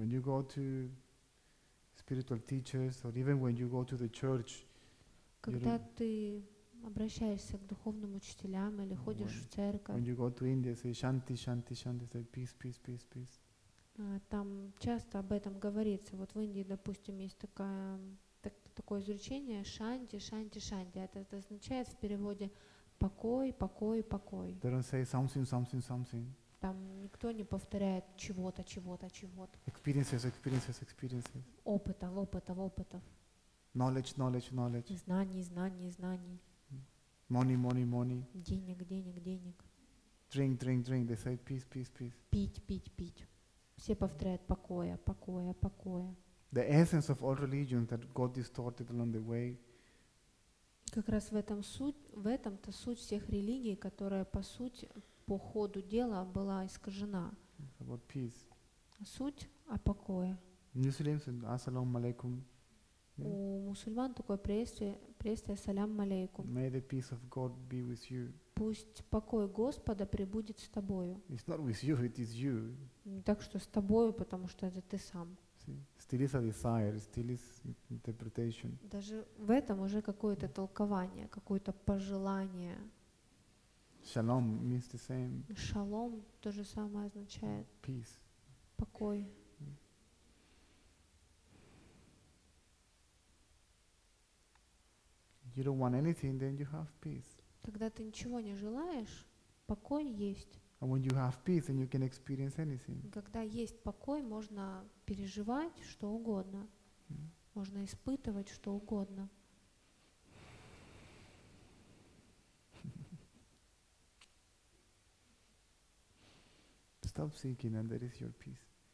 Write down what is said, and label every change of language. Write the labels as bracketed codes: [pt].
[en] When you go to spiritual teachers, or even when you go to the church, [ru] когда ты обращаешься к духовным учителям или ходишь в церковь. [en] When you go to India, say shanti, shanti, shanti, say peace, peace, peace, peace. [ru] Там часто об этом говорится. Вот в Индии, допустим, есть такое изречение «шанти, шанти, шанти». Это означает в переводе Покой, покой, покой. [en] They don't say something, something, something. [ru] Там никто не повторяет чего-то, чего-то, чего-то. [en] Experiences, experiences, experiences. [ru] Опытов, опытов, опытов. [en] Knowledge, knowledge, knowledge. [ru] Знаний, знаний, знаний. [en] Money, money, money. [ru] Денег, денег, денег. [en] Drink, drink, drink. They say peace, peace, peace. [ru] Пить, пить, пить. Все повторяют покоя, покоя, покоя. [en] The essence of all religions that got distorted along the way. [ru] Как раз в этом суть, в этом-то суть всех религий, которая по сути, по ходу дела была искажена. [en] About peace. [ru] Суть о покое. [en] Muslims, assalamu alaikum. [ru] У мусульман такое приветствие, приветствие салям алейкум. [en] May the peace of God be with you. [ru] Пусть покой Господа пребудет с тобою. [en] It's not with you, it is you. [ru] Так что с тобою, потому что это ты сам. [en] See? Still is a desire, still is interpretation. [ru] Даже в этом уже какое-то толкование, какое-то пожелание. [en] Shalom means the same. [ru] Шалом то же самое означает. [en] Peace. [ru] Покой. [en] You don't want anything, then you have peace. [ru] Когда ты ничего не желаешь, покой есть. [en] And when you have peace, then you can experience anything. [ru] Когда есть покой, можно переживать что угодно, можно испытывать что угодно. [en] Stop seeking, and there is your peace.